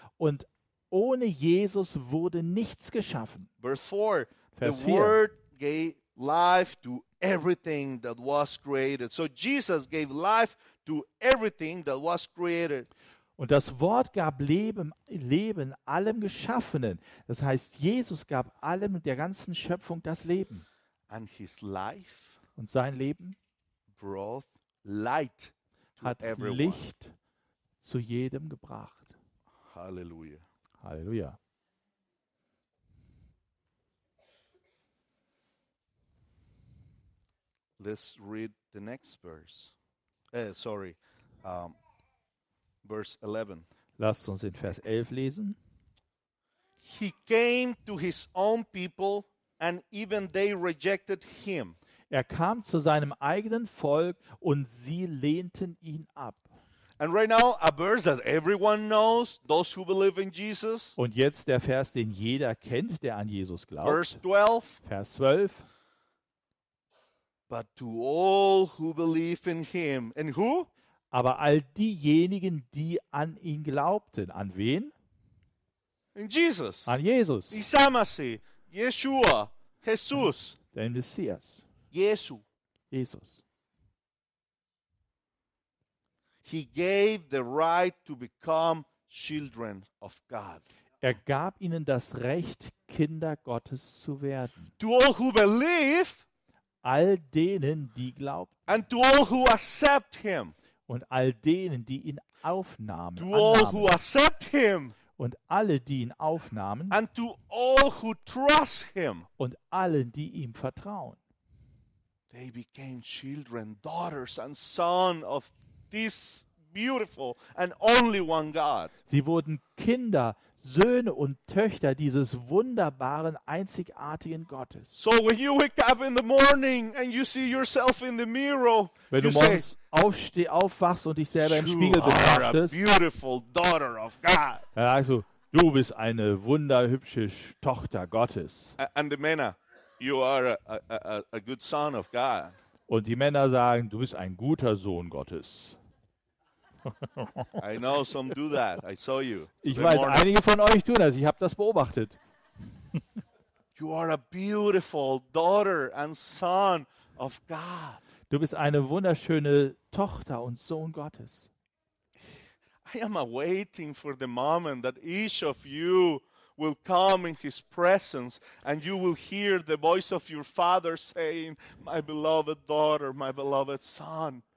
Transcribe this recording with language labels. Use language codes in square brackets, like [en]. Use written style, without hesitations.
[de] Und ohne Jesus wurde nichts geschaffen. [en] Verse 4. [de] Vers [en] the [de] 4. [en] Word gave life to everything that was created. So Jesus gave life to everything that was created. [de] Und das Wort gab Leben allem Geschaffenen. Das heißt, Jesus gab allem, der ganzen Schöpfung, das Leben. [en] And his life [de] und sein Leben [en] brought light to [de] hat [en] everyone. [de] Licht zu jedem gebracht. Halleluja. Halleluja. [en] Let's read the next verse. Verse 11. [de] Lasst uns in Vers 11 lesen. [en] He came to his own people and even they rejected him. [de] Er kam zu seinem eigenen Volk und sie lehnten ihn ab. [en] And right now, a verse that everyone knows, those who believe in Jesus. [de] Und jetzt der Vers, den jeder kennt, der an Jesus glaubt. [en] Verse 12. [de] Vers 12. [en] But to all who believe in him. And who? [de] Aber all diejenigen, die an ihn glaubten. An wen? [en] In Jesus. [de] An Jesus. Isamasi. Yeshua. Jesus. Den Messias. Jesu. Jesus. [en] He gave the right to become children of God. [de] Er gab ihnen das Recht, Kinder Gottes zu werden. [en] To all who believe, [de] all denen, die glaubten, [en] and to all who accept him, [de] und all denen, die ihn aufnahmen, [en] to all who accept him, [de] und alle, die ihn aufnahmen, [en] and to all who trust him, [de] und allen, die ihm vertrauen, [en] they became children, daughters, and sons of this beautiful and only one God. [de] Sie wurden Kinder, Söhne und Töchter dieses wunderbaren, einzigartigen Gottes. [en] So when you wake up in the morning and you see yourself in the mirror, [de] wenn [en] you [de] du morgens [en] say, [de] aufwachst und dich selber im Spiegel betrachtest, [en] beautiful daughter of God. [de] Also, du bist eine wunderhübsche Tochter Gottes. [en] And the men, you are a good son of God. [de] Und die Männer sagen, du bist ein guter Sohn Gottes. [en] I know some do that. I saw you. [de] Ich weiß, einige von euch tun das. Ich habe das beobachtet. [en] You are a beautiful daughter and son of God. [de] Du bist eine wunderschöne Tochter und Sohn Gottes. [en] I am waiting for the moment that each of you will come in his presence and you will hear the voice of your father saying, my beloved daughter, my beloved son.